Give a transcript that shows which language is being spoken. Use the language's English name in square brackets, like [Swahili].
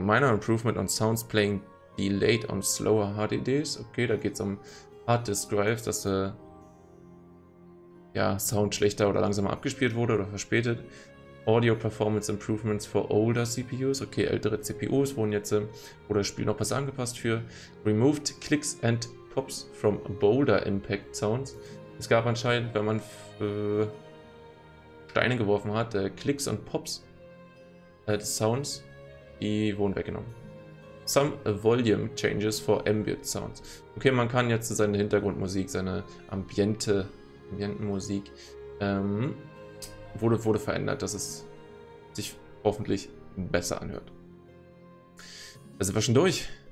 [English] Minor Improvement on Sounds Playing Delayed on Slower HDDs. [German] Okay, da geht es um Hard Disk Drives, dass Sound schlechter oder langsamer abgespielt wurde oder verspätet. [English] Audio Performance Improvements for older CPUs. [German] Okay, ältere CPUs wurden jetzt oder das Spiel noch besser angepasst für. [English] Removed Clicks and Pops from Boulder Impact Sounds. [German] Es gab anscheinend, wenn man Steine geworfen hat, Klicks und Pops Sounds, die wurden weggenommen. [English] Some Volume Changes for Ambient Sounds. [German] Okay, man kann jetzt seine Hintergrundmusik, seine Ambientenmusik wurde verändert, dass es sich hoffentlich besser anhört. Also sind wir schon durch.